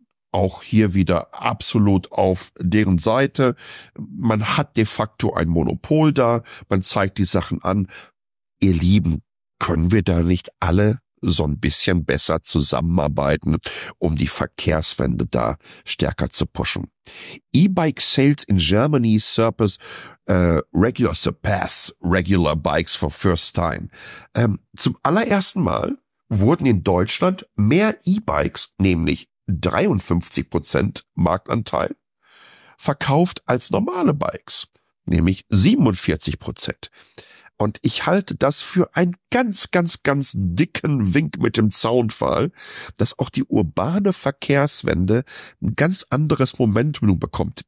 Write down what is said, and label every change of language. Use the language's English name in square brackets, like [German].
[German] Auch hier wieder absolut auf deren Seite. Man hat de facto ein Monopol da. Man zeigt die Sachen an. Ihr Lieben, können wir da nicht alle so ein bisschen besser zusammenarbeiten, um die Verkehrswende da stärker zu pushen. [English] E-Bike Sales in Germany surpass regular bikes for first time. [German] Zum allerersten Mal wurden in Deutschland mehr E-Bikes, nämlich 53% Marktanteil, verkauft als normale Bikes, nämlich 47%. Und ich halte das für einen ganz, ganz, ganz dicken Wink mit dem Zaunpfahl, dass auch die urbane Verkehrswende ein ganz anderes Momentum bekommt.